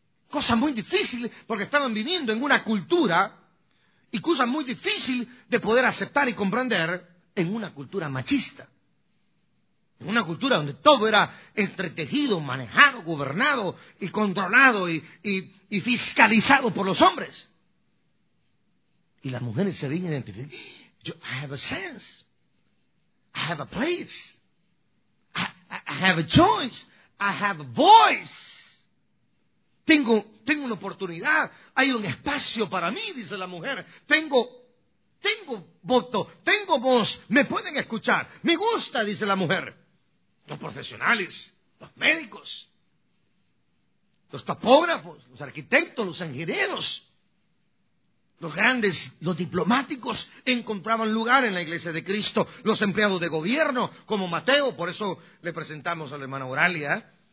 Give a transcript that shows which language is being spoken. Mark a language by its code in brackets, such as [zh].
[es] Cosa muy difícil, porque estaban viviendo en una cultura, y cosa muy difícil de poder aceptar y comprender, en una cultura machista. En una cultura donde todo era entretejido, manejado, gobernado, y controlado, y fiscalizado por los hombres. Y las mujeres se veían identificando, [en] I have a sense, I have a place, I have a choice, I have a voice. [es] Tengo una oportunidad, hay un espacio para mí, dice la mujer. Tengo voto, tengo voz, me pueden escuchar, me gusta, dice la mujer. Los profesionales, los médicos, los topógrafos, los arquitectos, los ingenieros, los grandes, los diplomáticos encontraban lugar en la Iglesia de Cristo, los empleados de gobierno, como Mateo, por eso le presentamos a la hermana Auralia.